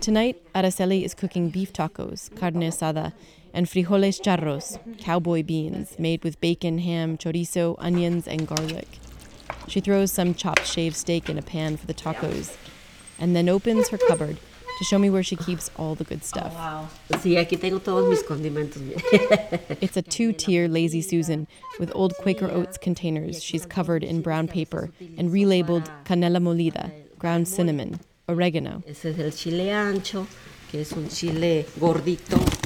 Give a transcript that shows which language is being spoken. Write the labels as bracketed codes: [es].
[en] Tonight, Araceli is cooking beef tacos, carne asada, and frijoles charros, cowboy beans, made with bacon, ham, chorizo, onions, and garlic. She throws some chopped shaved steak in a pan for the tacos, and then opens her cupboard to show me where she keeps all the good stuff. [es] Oh, wow. Sí, aquí tengo todos mis condimentos. [en] It's a two-tier Lazy Susan with old Quaker Oats containers she's covered in brown paper and relabeled canela molida, ground cinnamon, oregano. [es] Ese es el chile ancho, que es un chile gordito.